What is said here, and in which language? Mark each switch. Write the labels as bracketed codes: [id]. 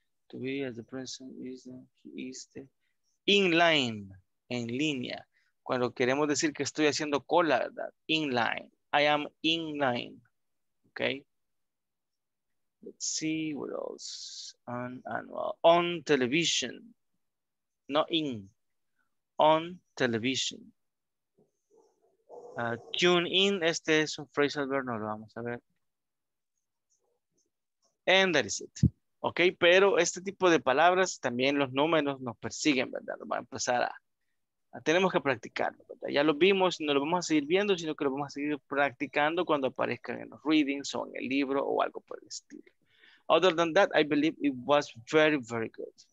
[en] To be as the person is the in line, [es] en línea. Cuando queremos decir que estoy haciendo cola, ¿verdad? [en] In line. I am in line. Okay. Let's see what else. On annual. On television. Not in. On television. Tune in. [es] Este es un phrasal verb. No lo vamos a ver. [en] And that is it. [es] Ok, pero este tipo de palabras, también los números nos persiguen, ¿verdad? Vamos a empezar a tenemos que practicarlo, ¿verdad? Ya lo vimos, no lo vamos a seguir viendo, sino que lo vamos a seguir practicando cuando aparezcan en los readings o en el libro o algo por el estilo. [en] Other than that, I believe it was very, very good.